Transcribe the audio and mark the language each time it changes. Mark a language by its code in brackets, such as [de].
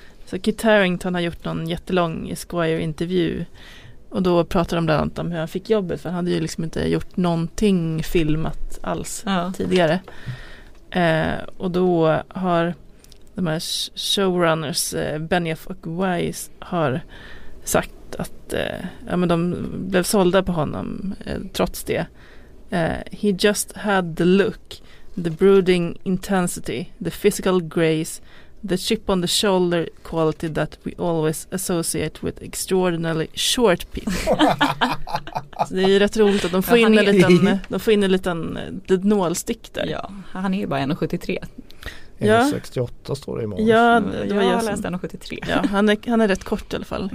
[sv] Så Kit Harington har gjort någon jättelång Esquire-intervju och då pratar de bland annat om hur han fick jobbet, för han hade ju liksom inte gjort någonting filmat alls tidigare. Och då har de här showrunners, Benioff och Weiss, har sagt att ja, men de blev sålda på honom trots det. [en] He just had the look, the brooding intensity, the physical grace, the chip on the shoulder quality that we always associate with extraordinarily short people. [sv] Så det är ju rätt roligt att de får in en liten, de får in en liten nålstick där. Ja, han är ju bara 1,73. Ja. 68 står det i morgon. Ja, det var jag läste 1,73. Ja, han är rätt kort i alla fall.